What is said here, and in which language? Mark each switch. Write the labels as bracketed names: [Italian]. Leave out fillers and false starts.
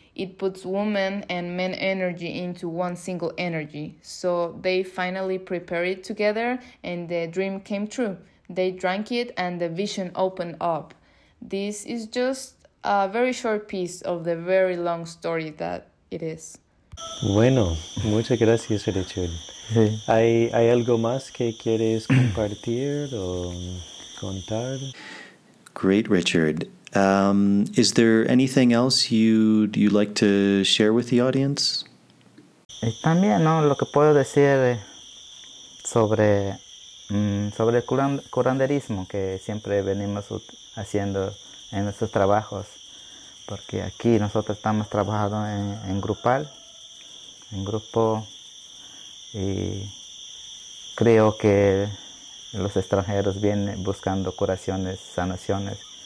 [English] It puts woman and man energy into one single energy. So they finally prepared it together and the dream came true. They drank it and the vision opened up. This is just a very short piece of the very long story that it is. [Spanish] Bueno, muchas gracias, Richard. Sí. ¿Hay algo más que quieres compartir o contar? [English] Great, Richard. Is there anything else you'd like to share with the audience? [Spanish] También, ¿no? Lo que puedo decir sobre el curanderismo que siempre venimos haciendo en nuestros trabajos, porque aquí nosotros estamos trabajando en grupal, en grupo, y creo que los extranjeros vienen buscando curaciones, sanaciones.